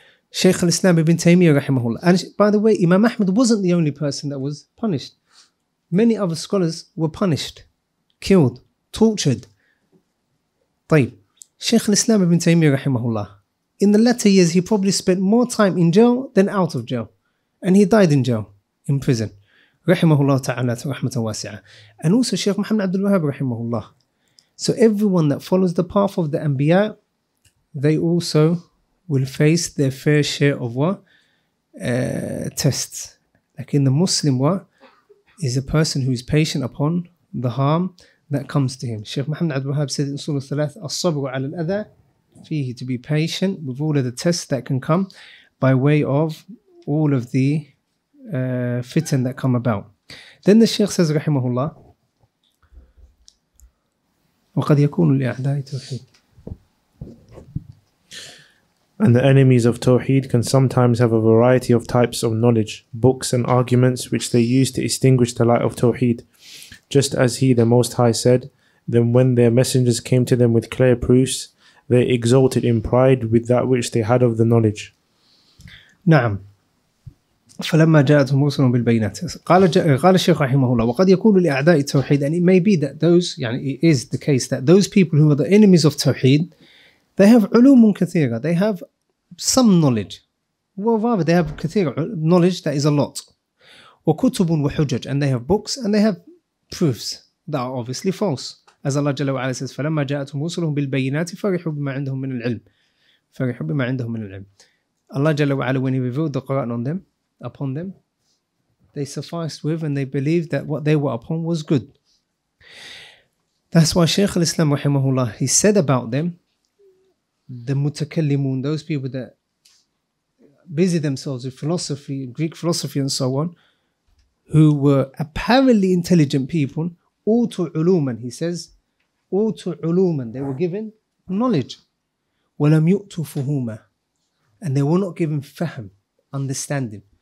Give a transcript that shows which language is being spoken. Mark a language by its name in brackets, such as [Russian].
[English] Shaykh al-Islam ibn Taymiyyah rahimahullah. And by the way, Imam Ahmad wasn't the only person that was punished. Many other scholars were punished, killed, tortured. [Arabic] طيب. [English] Shaykh al-Islam ibn Taymiyyah rahimahullah, in the latter years, he probably spent more time in jail than out of jail. And he died in jail, in prison. [Arabic] رحمه الله تعالى رحمة واسعة. [English] And also Shaykh Muhammad Abdul Wahhab رحمه الله. So everyone that follows the path of the Anbiya, they also will face their fair share of what? Tests. Like in the Muslim, what? Is a person who is patient upon the harm that comes to him. Shaykh Muhammad Abdul Wahhab said in Surah 3, [Arabic] الصبر على الأذى فيه, [English] to be patient with all of the tests that can come by way of all of the fitan that come about. Then the Shaykh says, rahimahullah, [Arabic] وَقَدْ يَكُونُ لِأَعْدَاءِ تَوْحِيدٍ. [English] And the enemies of Tawheed can sometimes have a variety of types of knowledge, books and arguments which they use to extinguish the light of Tawheed. Just as he, the Most High, said, then when their messengers came to them with clear proofs, they exulted in pride with that which they had of the knowledge. [Arabic] نعم. فلما جاءتهم رسل بالبينات قال الشيخ رحمه الله وقد يكون لأعداء التوحيد. [English] And it may be that those, يعني it is the case that those people who are the enemies of Tawheed, they have [Arabic] علوم كثيرة, [English] they have some knowledge, rather they have كثيرة knowledge, that is a lot, [Arabic] وكتب وحجج, [English] and they have books and they have proofs that are obviously false. As Allah [Arabic] جل وعلا says, فلما جاءتهم رسل بالبينات فرحوا بما عندهم من العلم, فرحوا بما عندهم من العلم. [English] Allah جل وعلا, when he revealed the Quran on them, upon them, they sufficed with, and they believed that what they were upon was good. That's why Shaykh al-Islam rahimahullah, he said about them, the mutakallimun, those people that busy themselves with philosophy, Greek philosophy and so on, who were apparently intelligent people, [Arabic] utu uluman, [English] he says, utu uluman, they were given knowledge, [Arabic] walam yu'tu fuhuma, [English] and they were not given fahm, understanding.